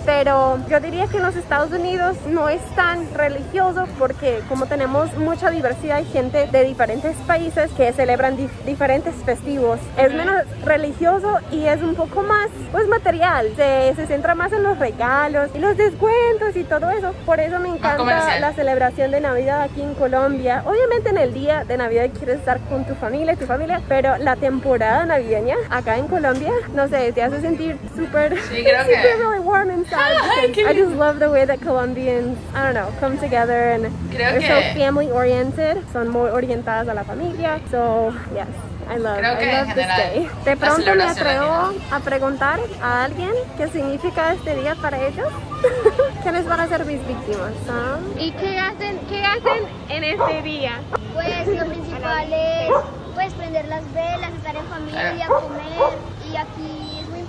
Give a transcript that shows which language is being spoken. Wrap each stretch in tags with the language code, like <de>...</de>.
<es>Pero yo diría que en los Estados Unidos no es tan religioso, porque como tenemos mucha diversidad y gente de diferentes países que celebran diferentes festivos, es menos religioso y es un poco más pues material. Se centra más en los regalos y los descuentos y todo eso. Por eso me encanta la celebración de Navidad aquí en Colombia. Obviamente en el día de Navidad quieres estar con tu familia, pero la temporada navideña acá en Colombia, no sé, te hace sentir super, sí, creo</es> <en>super really warm inside. I just love the way that Colombians, I don't know, come together and they're so family oriented.</en> <es>Son muy orientadas a la familia.</es> <en>So yes, I love this day.</en> <es>De pronto me atrevo a preguntar a alguien qué significa este día para ellos. ¿Quiénes van a ser mis víctimas? ¿Y qué hacen en este día? Pues lo principal es pues prender las velas, estar en familia, comer, y aquí</es>